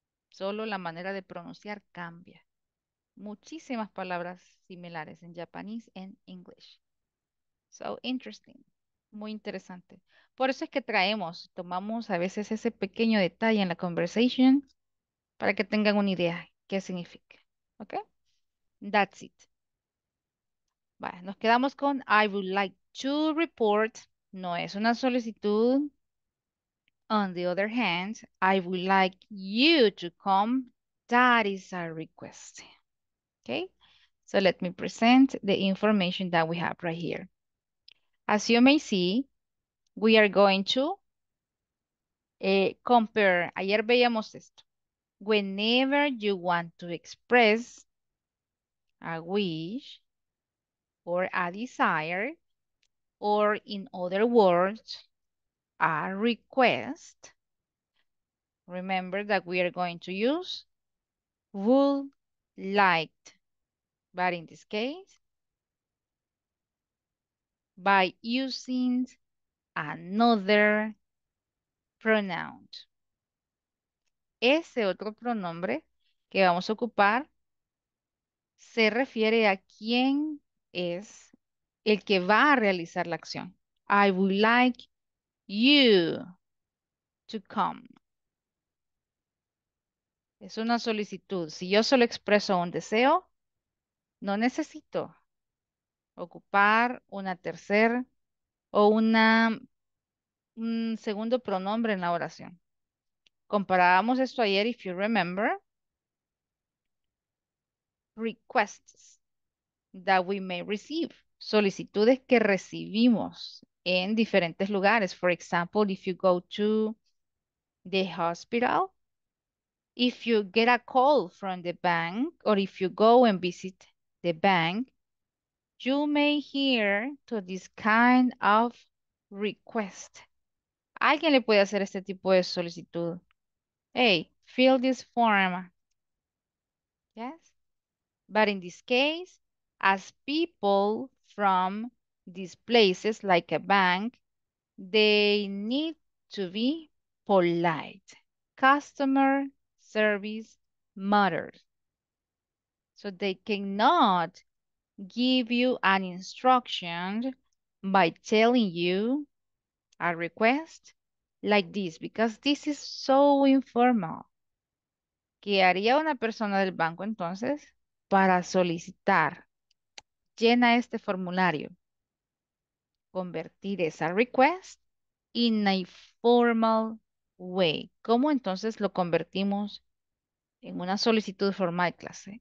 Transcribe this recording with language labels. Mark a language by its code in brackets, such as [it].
[es] Solo la manera de pronunciar cambia. Muchísimas palabras similares en japonés y en inglés. [en] So interesting. [es] Muy interesante. Por eso es que traemos, tomamos a veces ese pequeño detalle en la conversation para que tengan una idea qué significa. [en] ¿Ok? That's it. [es] Vale, nos quedamos con [en] I would like to report. [es] No es una solicitud. [en] On the other hand, I would like you to come. That is a request. Okay? So let me present the information that we have right here. As you may see, we are going to compare. [es] Ayer veíamos esto. [en] Whenever you want to express a wish or a desire, or in other words, a request, remember that we are going to use would like, but in this case, by using another pronoun. [es] Ese otro pronombre que vamos a ocupar se refiere a quién es el que va a realizar la acción. [en] I would like you to come. [es] Es una solicitud. Si yo solo expreso un deseo, no necesito ocupar una tercera o un segundo pronombre en la oración. Comparábamos esto ayer, [en] if you remember. Requests that we may receive. [es] Solicitudes que recibimos en diferentes lugares. [en] For example, if you go to the hospital, if you get a call from the bank, or if you go and visit the bank, you may hear to this kind of request. [es] ¿Alguien le puede hacer este tipo de solicitud? [en] Hey, fill this form. Yes. But in this case, as people from these places, like a bank, they need to be polite. Customer service matters. So they cannot give you an instruction by telling you a request like this, because this is so informal. [es] ¿Qué haría una persona del banco entonces para solicitar? Llena este formulario. Convertir esa [en] request in a formal way. [es] ¿Cómo entonces lo convertimos en una solicitud formal, clase?